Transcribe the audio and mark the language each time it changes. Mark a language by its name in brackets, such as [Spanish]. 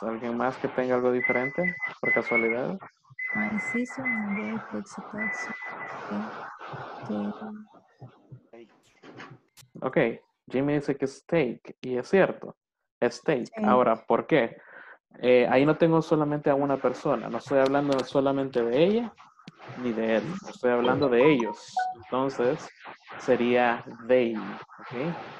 [Spanish] ¿Alguien más que tenga algo diferente por casualidad? [English] My sister and my brother takes a taxi. Okay. Okay. [Spanish] Ok, Jimmy dice que es take y es cierto, es take. Okay. Ahora, ¿por qué? Ahí no tengo solamente a una persona, no estoy hablando solamente de ella ni de él, estoy hablando de ellos. Entonces, sería they, ok.